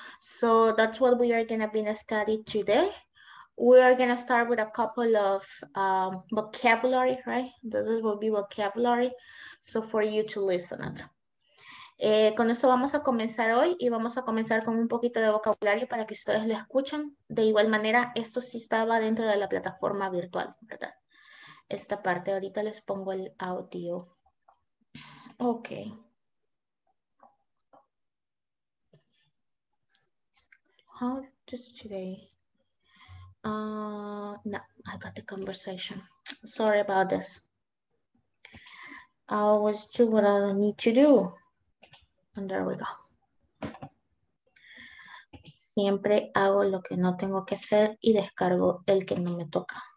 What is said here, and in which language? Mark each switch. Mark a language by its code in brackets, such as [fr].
[en] So that's what we are going to be studying today. We are going to start with a couple of vocabulary, right? This will be vocabulary, so for you to listen it. [es] Con eso vamos a comenzar hoy y vamos a comenzar con un poquito de vocabulario para que ustedes lo escuchen. De igual manera, esto sí estaba dentro de la plataforma virtual, ¿verdad? Esta parte, ahorita les pongo el audio. Ok. [en] How is today? No, I got the conversation. Sorry about this. I always do what I don't need to do. And there we go. [es] Siempre hago lo que no tengo que hacer y descargo el que no me toca.